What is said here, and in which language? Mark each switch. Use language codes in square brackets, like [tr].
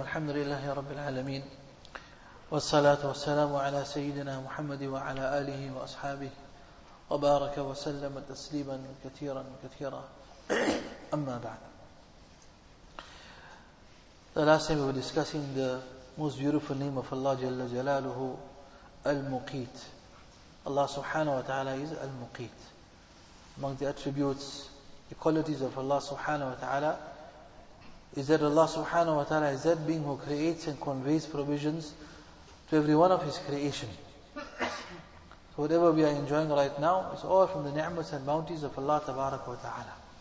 [ar] الحمد لله رب العالمين، والصلاة والسلام على سيدنا محمد وعلى آله وأصحابه وبارك وسلم تسليما كثيرا كثيرا، أما بعد. [en] The last time we were discussing the most beautiful name of Allah [ar] جل جلاله، المقيت. [en] Allah [ar] سبحانه وتعالى [en] is [ar] المقيت. [en] Among the attributes, the qualities of Allah [ar] سبحانه وتعالى [en] is that Allah subhanahu wa ta'ala is that being who creates and conveys provisions to every one of His creation. So whatever we are enjoying right now is all from the ni'mas and bounties of Allah tabaraka wa ta'ala.